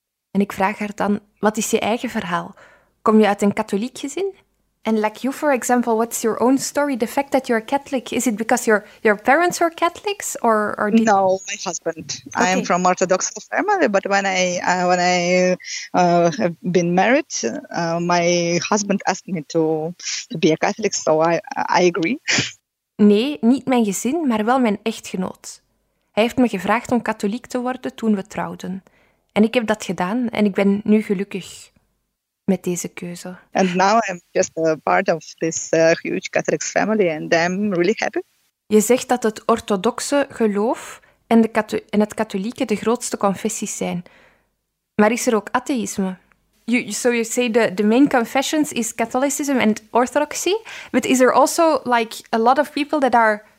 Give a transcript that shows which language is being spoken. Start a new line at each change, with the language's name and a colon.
Dutch: En ik vraag haar dan, wat is je eigen verhaal? Kom je uit een katholiek gezin?
English: And like you, for example, what's your own story? The fact that you're Catholic, is it because your parents are Catholics? Or did... No, my husband. Okay. I am from Orthodox family, but when I have been married, my husband asked me to be a Catholic, so I agree.
Dutch: Nee, niet mijn gezin, maar wel mijn echtgenoot. Hij heeft me gevraagd om katholiek te worden toen we trouwden. En ik heb dat gedaan en ik ben nu gelukkig met deze keuze.
English: And now I'm just a part of this huge Catholic family and I'm really happy.
Dutch: Je zegt dat het orthodoxe geloof en het katholieke de grootste confessies zijn. Maar is er ook atheïsme?
English: You say the main confessions is Catholicism and Orthodoxy, but is there also like a lot of people that are